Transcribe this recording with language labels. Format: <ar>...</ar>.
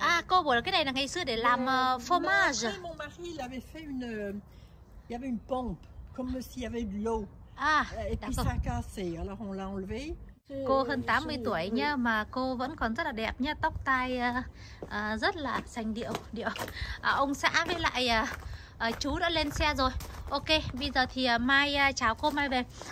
<vi>Ah cô bảo là cái này là ngày xưa để làm fromage.</vi> <fr>Après, mon mari il avait fait une il y avait une pompe comme s'il y avait de l'eau. Ah, et puis ça a cassé, alors on l'a enlevé.</fr> <vi>Cô hơn 80 tuổi nha mà cô vẫn còn rất là đẹp nha, tóc tai rất là sành điệu. Ông xã với lại chú đã lên xe rồi. Ok, bây giờ thì Mai chào cô Mai về.</vi>